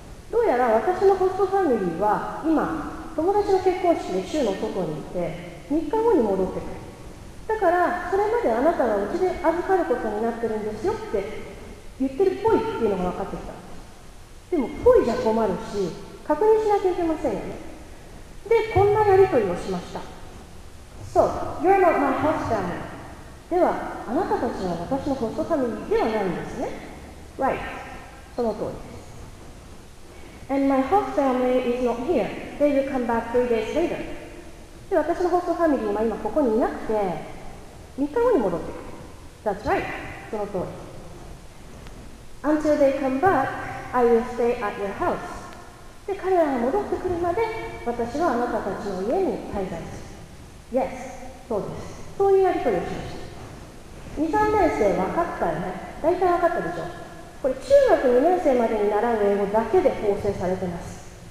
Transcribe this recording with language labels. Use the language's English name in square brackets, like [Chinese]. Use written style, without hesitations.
[Japanese] どうやら私のホストファミリーは今友達の結婚式で州の外にいて3日後に戻ってくる、だからそれまであなたがうちで預かることになってるんですよって言ってるっぽいっていうのが分かってきた。でもっぽいじゃ困るし確認しなきゃいけませんよね。で、こんなやり取りをしました。 [English] So, you're not my host family. [Japanese] では、あなたたちは私のホストファミリーではないんですね。 [English] Right, [Japanese] その通りです。 [English] And my host family is not here. They will come back 3 days later. [Japanese] で、私のホストファミリーは今ここにいなくて3日後に戻ってくる。 [English] That's right, [Japanese] その通り。 [English] Until they come backI will stay at your house. [Japanese] で、彼らが戻ってくるまで私はあなたたちの家に滞在する。 [English] Yes, [Japanese] そうです。そういうやり取りをしました。 2、3年生分かったよね。大体分かったでしょ。これ中学2年生までに習う英語だけで構成されてます。